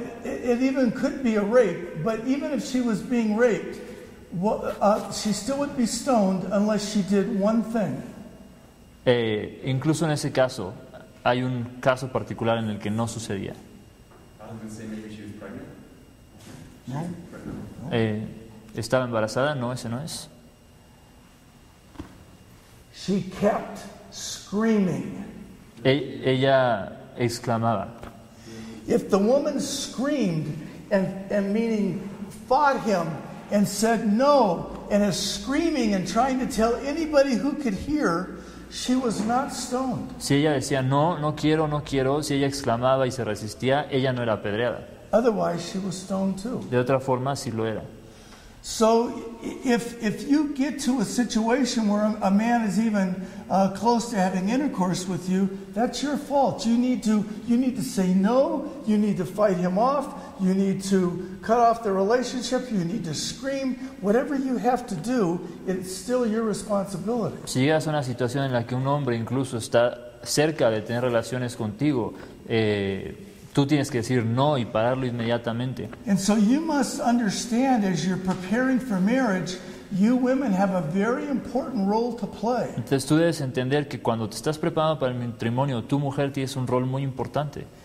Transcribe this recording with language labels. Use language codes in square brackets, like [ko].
[en] It even could be a rape, but even if she was being raped, she still would be stoned unless she did one thing. [es] Incluso en ese caso, hay un caso particular en el que no sucedía. [en] I was going to say maybe she was pregnant. [es] No. ¿Estaba embarazada? No, ese no es. [en] She kept screaming. [es] Ella exclamaba. [en] If the woman screamed and meaning fought him and said no and is screaming and trying to tell anybody who could hear, she was not stoned. [es] Si ella decía no, no quiero, no quiero, si ella exclamaba y se resistía, ella no era apedreada. [en] Otherwise, she was stoned too. [es] De otra forma, sí lo era. [en] So if you get to a situation where a man is even close to having intercourse with you, that's your fault. You need to say no, you need to fight him off, you need to cut off the relationship, you need to scream, whatever you have to do, it's still your responsibility. [es] Si llegas a una situación en la que un hombre incluso está cerca de tener relaciones contigo, tú tienes que decir no y pararlo inmediatamente. [en] And so you must understand, as you're preparing for marriage, you women have a very important role to play. [es] Entonces tú debes entender que cuando te estás preparando para el matrimonio, tu mujer tienes un rol muy importante.